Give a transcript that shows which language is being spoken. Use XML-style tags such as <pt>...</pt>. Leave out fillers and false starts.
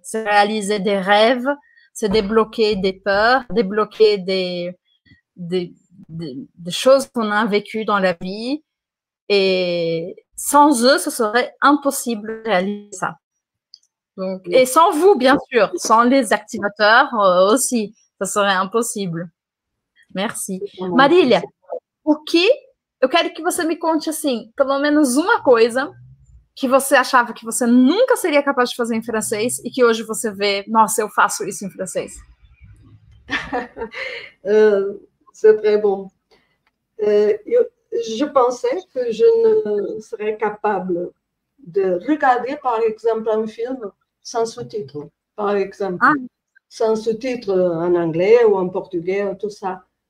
<fr>C'est réaliser des rêves, c'est débloquer des peurs, débloquer des choses qu'on a vécues dans la vie. Et sans eux, ce serait impossible de réaliser ça. Donc, et sans vous, bien sûr, sans les activateurs aussi, ce serait impossible. Merci. Marília.</fr> <pt>O que eu quero que você me conte, assim, pelo menos uma coisa que você achava que você nunca seria capaz de fazer em francês e que hoje você vê, nossa, eu faço isso em francês.</pt> <fr>C'est très bon. Je pensais que je ne serais capable de regarder, par exemple, un film sans sous-titres, par exemple. Sans sous-titres en anglais ou en portugais, tout ça.</fr>